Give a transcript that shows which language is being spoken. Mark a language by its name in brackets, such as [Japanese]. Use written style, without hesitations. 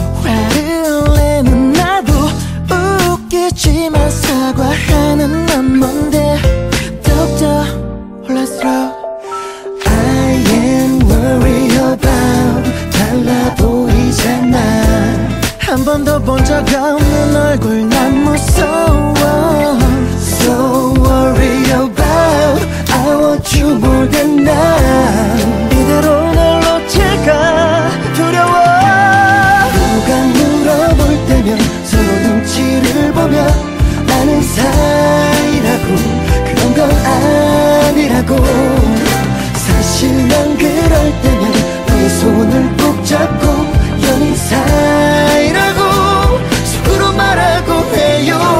[Korean] 화를 내는 나도 웃기지만 사과하는 난 뭔데 더욱더 혼란스러워 [English] I am worried about [Korean] 달라 보이잖아 한 번도 본 적 없는 얼굴 난 무서워 [English] So worry about I want you more than now [Korean] 이대로 널 놓칠까 두려워 누가 물어볼 때면 서로 눈치를 보며 아는 사이라고 그런 건 아니라고 사실 난 그럴 때면 너의 손을 꼭 잡고 연인 사이라고 속으로 말하고 해요